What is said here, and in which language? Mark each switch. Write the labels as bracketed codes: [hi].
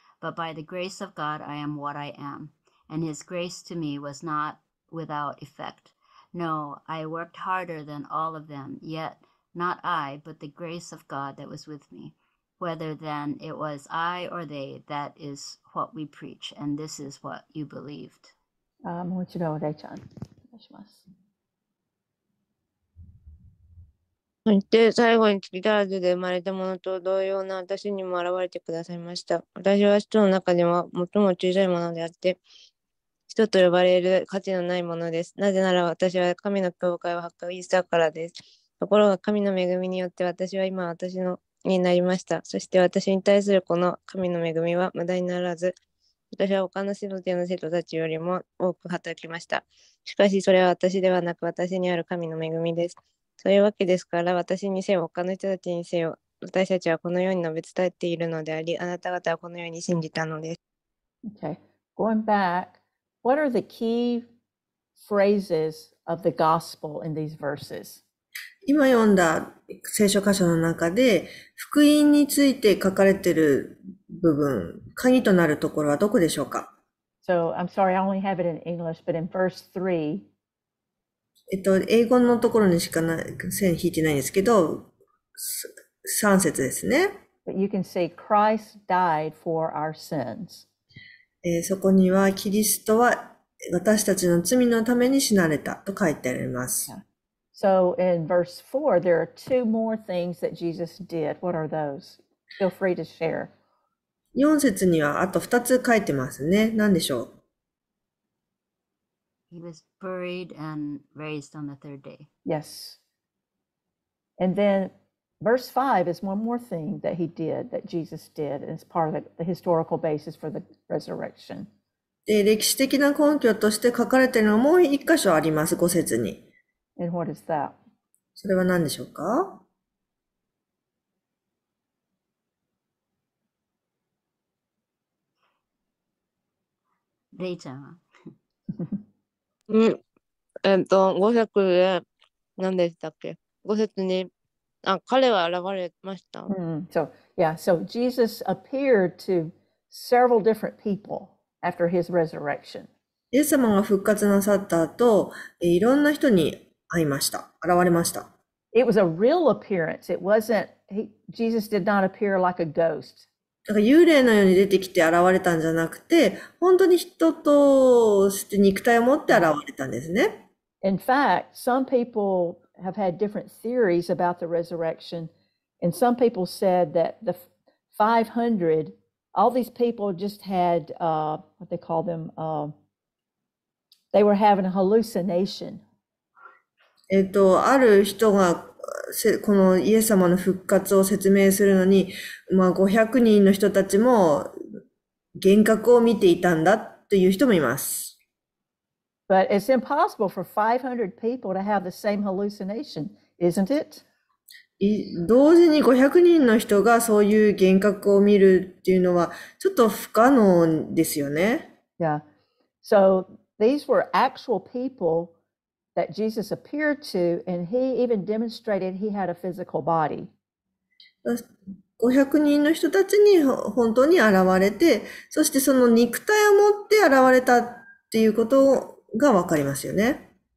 [en] But by the grace of God, I am what I am. And his grace to me was not without effect. No, I worked harder than all of them, yet not I, but the grace of God that was with me. Whether then it was I or they, that is what we preach, and this is what you believed. [ja] もう一度、レイちゃん、お願いします。で、最後に、ギターズで生まれたものと同様な私にも現れてくださいました。私は人の中では最も小さいものであって、人と呼ばれる価値のないものです。なぜなら私は神の教会を発掘したからです。ところが神の恵みによって私は今私のになりました。そして私に対するこの神の恵みは無駄にならず、私は他の信徒の生徒たちよりも多く働きました。しかしそれは私ではなく私にある神の恵みです。そういうわけですから、私にせよ他の人たちにせよ、私たちはこのように述べ伝えているのであり、あなた方はこのように信じたのです。 [en] Okay. Going back, what are the key phrases of the gospel in these verses? [ja] 今読んだ聖書箇所の中で福音について書かれている部分、鍵となるところはどこでしょうか。 [en] So, I'm sorry, I only have it in English, but in verse 3. [ja] 英語のところにしかない、線引いてないんですけど、3節ですね。 [en] But you can see Christ died for our sins. [ja] そこにはキリストは私たちの罪のために死なれたと書いてあります。 [en] Yeah. So in verse 4, there are two more things that Jesus did. What are those? Feel free to share. [ja] 4節にはあと2つ書いてますね。何でしょう? [en] He was buried and raised on the third day. Yes. And then verse 5 is one more thing that he did, that Jesus did, and it's part of the historical basis for the resurrection. [ja] で、歴史的な根拠として書かれているのはもう1箇所あります、5節に。 [en] And what is that? [ja] それは何でしょうか? レイちゃんは? 5節で何でしたっけ? 5節に、あ、彼は現れました。 [en] Mm-hmm. So, yeah, so Jesus appeared to several different people after his resurrection. [ja] イエス様が復活なさった後、いろんな人に会いました。現れました。 [en] It was a real appearance. It wasn't, Jesus did not appear like a ghost. [ja] だから幽霊のように出てきて現れたんじゃなくて、本当に人として肉体を持って現れたんですね。 [en] In fact, some people have had different theories about the resurrection, and some people said that the 500, all these people just had, what they call them, they were having a hallucination. [ja] ある人がこのイエス様の復活を説明するのに、まあ、500人の人たちも幻覚を見ていたんだという人もいます。 [en] But it's impossible for 500 people to have the same hallucination, isn't it? [ja] 同時に500人の人がそういう幻覚を見るっていうのはちょっと不可能ですよね。 [en] Yeah. So these were actual people that Jesus appeared to, and he even demonstrated he had a physical body. [ja] 500人の人たちに本当に現れて、そしてその肉体を持って現れたっていうことがわかりますよね。